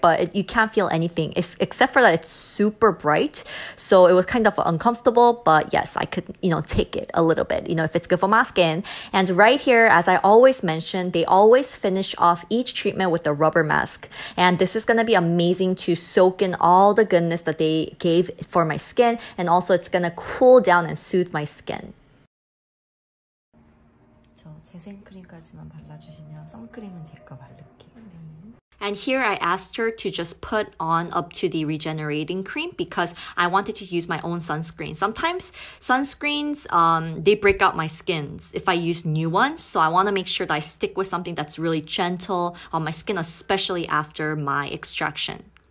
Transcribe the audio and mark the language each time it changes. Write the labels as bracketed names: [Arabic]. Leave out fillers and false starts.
[English] But you can't feel anything, except for that it's super bright, so it was kind of uncomfortable, but yes, I could, you know, take it a little bit, you know, if it's good for my skin. And right here, as I always mention, they always finish off each treatment with a rubber mask, and this is going to be amazing to soak in all the goodness that they gave for my skin, and also it's going to cool down and soothe my skin. [Korean] 저 재생크림까지만 발라주시면 선크림은 제 거 바를게요. [English] And here I asked her to just put on up to the regenerating cream because I wanted to use my own sunscreen. Sometimes sunscreens, they break out my skin if I use new ones. So I want to make sure that I stick with something that's really gentle on my skin, especially after my extraction.